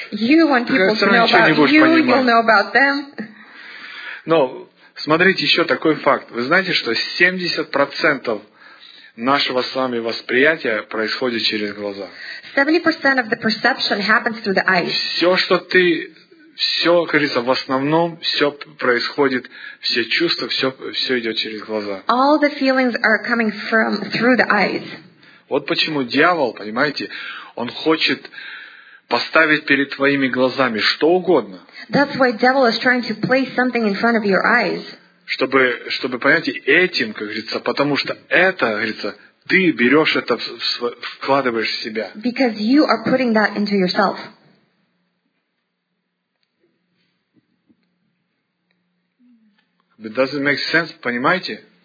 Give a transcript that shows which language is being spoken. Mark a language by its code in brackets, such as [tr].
[en] You want people to know about you, you'll know about them. [ru] Но смотрите, еще такой факт. Вы знаете, что 70% нашего с вами восприятия происходит через глаза. [en] 70% of the perception happens through the eyes. [ru] Все, что ты, все, как говорится, в основном, все происходит, все чувства, все идет через глаза. [en] All the feelings are coming from through the eyes. [ru] Вот почему дьявол, понимаете, он хочет поставить перед твоими глазами что угодно. [en] That's why devil is trying to place something in front of your eyes. [ru] Чтобы понять этим, как говорится, потому что это, как говорится, ты берешь это, вкладываешь в себя. [en] Because you are putting that into yourself. It doesn't make sense, понимаете?